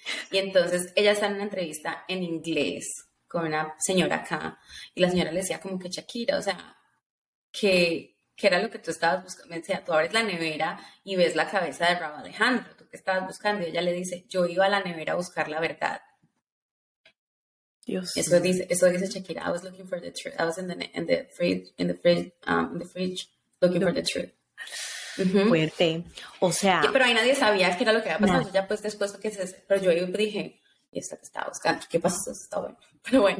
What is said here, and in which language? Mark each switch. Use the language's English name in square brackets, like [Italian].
[Spanish] Y entonces ella está en una entrevista en inglés con una señora acá y la señora le decía como que Shakira, o sea, ¿qué era lo que tú estabas buscando? Me decía, tú abres la nevera y ves la cabeza de Rauw Alejandro, ¿tú qué estabas buscando? Y ella le dice, yo iba a la nevera a buscar la verdad. Dios. Eso dice [English] Shakira, I was looking for the truth, I was in the fridge, looking for the truth. [Spanish] Uh-huh. Fuerte, o sea, pero ahí nadie sabía qué era lo que había pasado. Ya pues después, que se, pero yo dije, y esta que estaba buscando, qué pasó, está bueno, pero bueno,